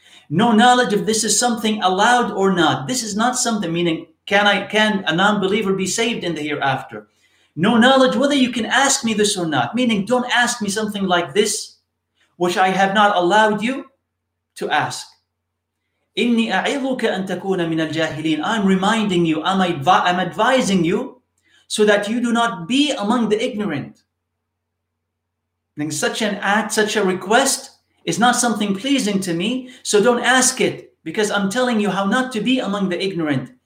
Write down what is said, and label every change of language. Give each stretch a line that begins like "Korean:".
English: No knowledge if this is something allowed or not. This is not something, meaning can a non-believer be saved in the hereafter? No knowledge whether you can ask me this or not. Meaning don't ask me something like this, which I have not allowed you to ask.
Arabic: إني أعظك أن تكون من الجاهلين.
English: I'm reminding you, I'm advising you so that you do not be among the ignorant. Then such an act, such a request is not something pleasing to me. So don't ask it, because I'm telling you how not to be among the ignorant.